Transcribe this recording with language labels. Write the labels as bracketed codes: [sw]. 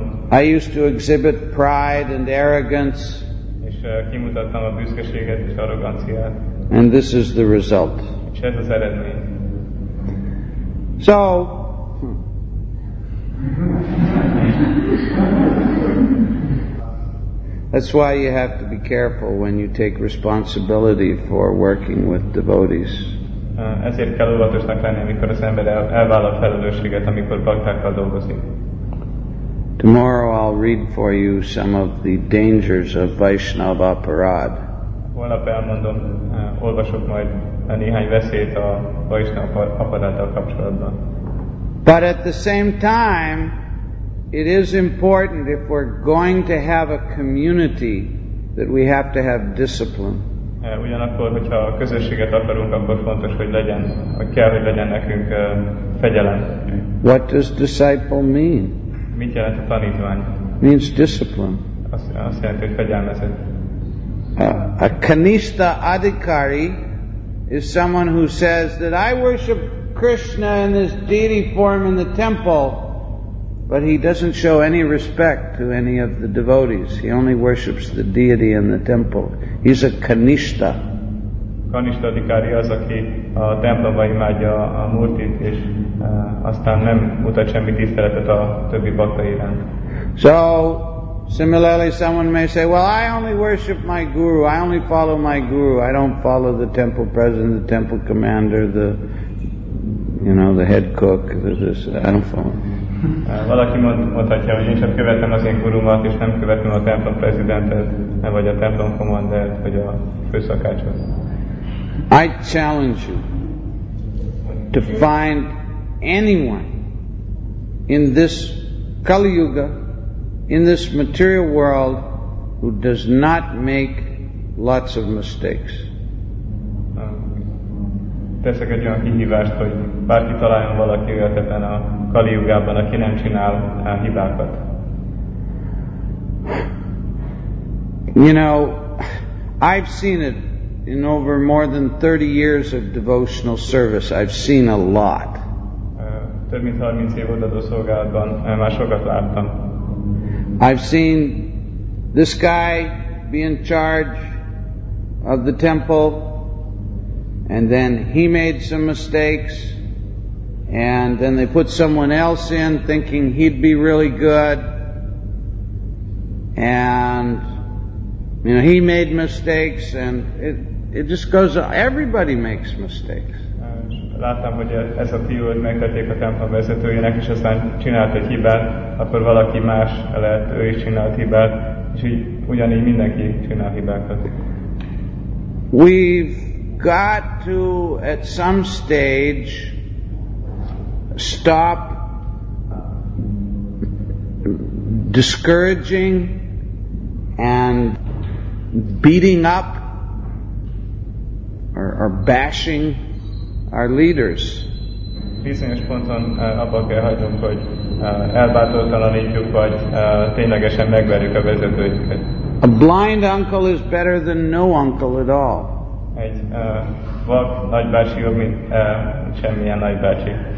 [en] I used to exhibit pride and arrogance. [hu] kimutattam a büszkeséget és arroganciát. [en] And this is the result. [hu] És ez az eredmény. [en] So, that's why you have to be careful when you take responsibility for working with devotees. [hu] Ezért kell óvatosnak lenni, amikor az ember elvállal felelősséget, amikor baktákkal dolgozik. [en] Tomorrow I'll read for you some of the dangers of Vaishnava Aparad. [hu] Holnap elmondom, olvasok majd néhány veszélyt a Vaishnava Aparaddal kapcsolatban. [en] But at the same time, it is important if we're going to have a community that we have to have discipline. [hu] Ugyanakkor, hogyha a közösséget akarunk, akkor fontos, hogy legyen, hogy kell, hogy legyen nekünk fegyelem. [en] What does disciple mean? [hu] Mit jelent a tanítvány? [en] Means discipline. [hu] Azt jelenti, hogy fegyelmezet. [en] A kanista adhikari is someone who says that I worship Krishna in his deity form in the temple, but he doesn't show any respect to any of the devotees. He only worships the deity in the temple. He's a kanista. [hu] Kanista adhikari az, aki a templomba imádja a murtit, és aztán nem mutat semmi tiszteletet a többi bhakta iránt. [en] So, similarly, someone may say, well, I only worship my guru, I only follow my guru, I don't follow the temple president, the temple commander, the, you know, the head cook, this, I don't follow. [hu] Valaki mondhatja, hogy én csak követem az én gurumat, és nem követem a templom prezidentet, nem vagy a templom komandert, vagy a főszakácsot. [en] I challenge you to find anyone in this Kali Yuga, in this material world, who does not make lots of mistakes. [hu] Teszek egy olyan kihívást, hogy bárki találjon valaki olyat ebben a Kali Yugában, aki nem csinál hibákat. [en] You know, I've seen it in over more than 30 years of devotional service. I've seen a lot. [hu] Több mint 30 év odaadó szolgálatban már sokat láttam. [en] I've seen this guy be in charge of the temple, and then he made some mistakes, and then they put someone else in thinking he'd be really good, and you know, he made mistakes, and it just goes on. Everybody makes mistakes. [hu] Láttam, hogy ez a fiú, hogy megtették a templom vezetőjének, és aztán csinált egy hibát, akkor valaki más lett, ő is csinált hibát, és így ugyanígy mindenki csinál hibákat. [en] We've got to, at some stage, stop discouraging and beating up or bashing our leaders. [hu] Bizonyos ponton abba kell hagynunk, hogy elbátortalanítjuk, vagy ténylegesen megverjük a vezetőjüket. [en] A blind uncle is better than no uncle at all. [hu] Egy vak nagybácsi jobb, mint semmilyen nagybácsi.